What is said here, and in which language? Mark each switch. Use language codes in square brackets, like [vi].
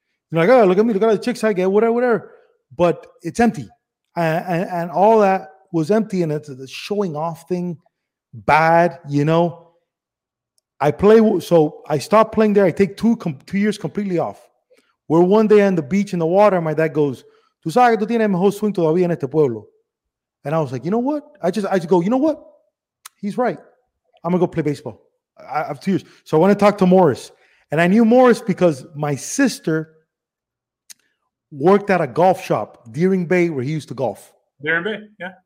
[en] You're like, oh, look at me, look at all the chicks I get, whatever. But it's empty. And all that was empty, and it's a showing off thing, bad, you know. I stopped playing there. I take two years completely off. We're one day on the beach in the water. My dad goes, [es] tú sabes que tú tienes mejor swing todavía en este pueblo. [en] And I was like, you know what? I just go, you know what? He's right. I'm going to go play baseball. I have 2 years. So I want to talk to Morris. And I knew Morris because my sister worked at a golf shop, Deering Bay, where he used to golf. Deering Bay, yeah.